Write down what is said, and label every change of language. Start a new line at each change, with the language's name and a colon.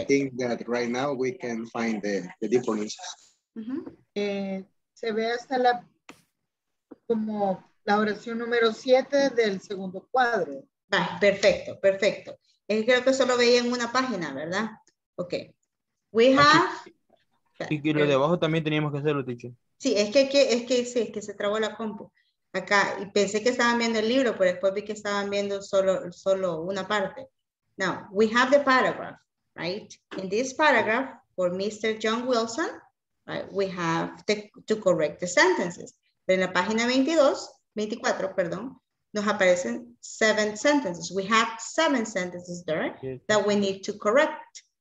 English: We think that right now we can find the difference.
Spanish: Se ve hasta la, como la oración número 7 del segundo cuadro. Ah, perfecto, perfecto. Es que creo que solo veía en una página, ¿verdad?
English: Ok. We have...
Spanish: Aquí, y lo de abajo también teníamos que hacerlo, teacher. Sí, es que se trabó la compu. Acá, y pensé que estaban viendo el libro, pero después vi que estaban viendo solo una parte.
English: Now, we have the paragraph, right? In this paragraph, for Mr. John Wilson, right, we have to correct the sentences.
Spanish: Pero en la página 24, nos aparecen 7 sentences.
English: We have 7 sentences there that we need to correct.